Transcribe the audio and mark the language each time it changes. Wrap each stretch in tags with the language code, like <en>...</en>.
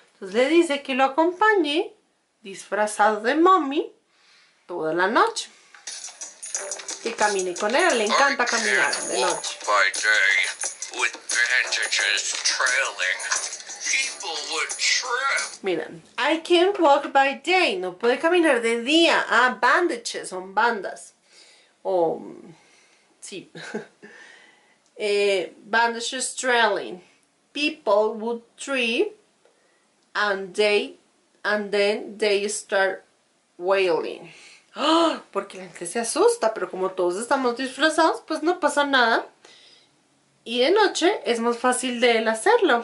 <es>Entonces le dice que lo acompañe disfrazado de mommy toda la noche. Que camine con él, le encanta caminar de noche.</es> <en>By day, with bandages trailing, people would trip.</en> <es>Miren,</es> <en>I can't walk by day,</en> <es>no puede caminar de día. Ah, bandages, son bandas. Sí.</es> <en>bandages trailing, people would trip, and then they start wailing.</en> <es>Porque la gente se asusta, pero como todos estamos disfrazados, pues no pasa nada. Y de noche es más fácil de él hacerlo.</es>